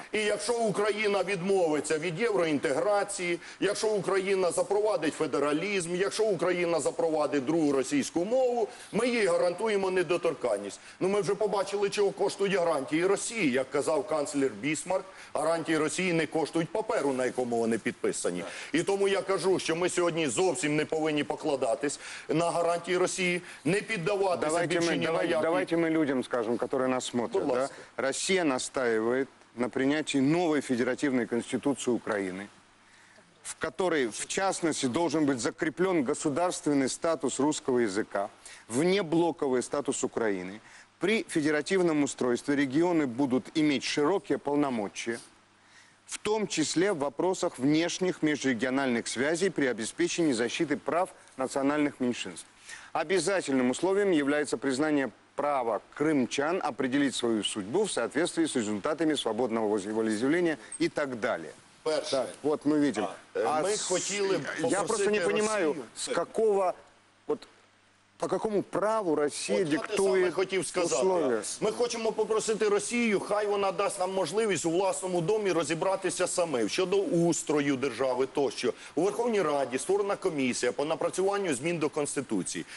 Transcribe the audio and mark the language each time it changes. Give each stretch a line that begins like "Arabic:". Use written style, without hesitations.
Ukrainian: І якщо Україна відмовиться від євроінтеграції, якщо Україна запровадить федералізм, якщо Україна запровадить другу російську мову, ми їй гарантуємо недоторканність. Ну ми вже побачили, чого коштують гарантії Росії. Як казав канцлер Бісмарк, гарантії Росії не коштують паперу, на якому вони підписані. І тому я кажу, що ми сьогодні зовсім не повинні покладатись на гарантії Росії, не піддаватися більшенню.
Russian: Давайте мы людям скажем, которые нас смотрят. Да? Россия настаивает на принятии новой федеративной конституции Украины, в которой, в частности, должен быть закреплен государственный статус русского языка, внеблоковый статус Украины. При федеративном устройстве регионы будут иметь широкие полномочия, в том числе в вопросах внешних межрегиональных связей при обеспечении защиты прав национальных меньшинств. Обязательным условием является признание права крымчан определить свою судьбу в соответствии с результатами свободного волеизъявления и так далее. Первое. Так, вот мы видим. Я просто не понимаю, с какого... По какому праву
Ukrainian: Росія диктує
Russian: условия?
Ukrainian: Ми хочемо попросити Росію, хай вона дасть нам можливість у власному домі розібратися саме щодо устрою держави тощо. У Верховній Раді створена комісія по напрацюванню змін до Конституції.